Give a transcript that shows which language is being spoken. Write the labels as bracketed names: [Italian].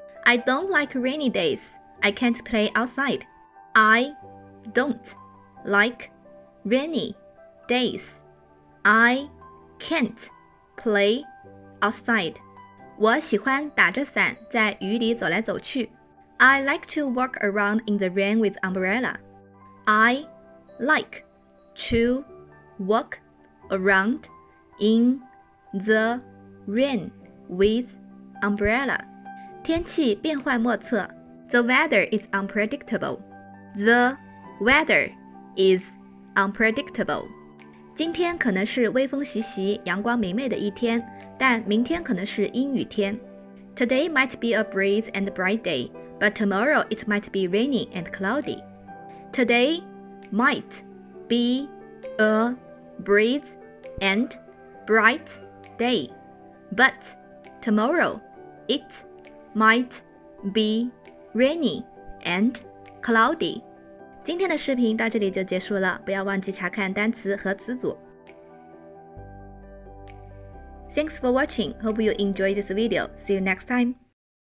[English] I don't like rainy days. I can't play outside. I don't. Like rainy days, I can't play outside. [Chinese] 我喜欢打着伞在雨里走来走去。 [English] I like to walk around in the rain with umbrella. I like to walk around in the rain with umbrella. [Chinese] 天气变幻莫测。 [English] The weather is unpredictable. The weather. Is unpredictable. [Chinese] 今天可能是微风习习、阳光明媚的一天，但明天可能是阴雨天。 [English] Today might be a breeze and bright day, but tomorrow it might be rainy and cloudy. Today might be a breeze and bright day, but tomorrow it might be rainy and cloudy. [Chinese] 今天的视频到这里就结束了，不要忘记查看单词和词组。 [English] Thanks for watching. Hope you enjoy this video. See you next time.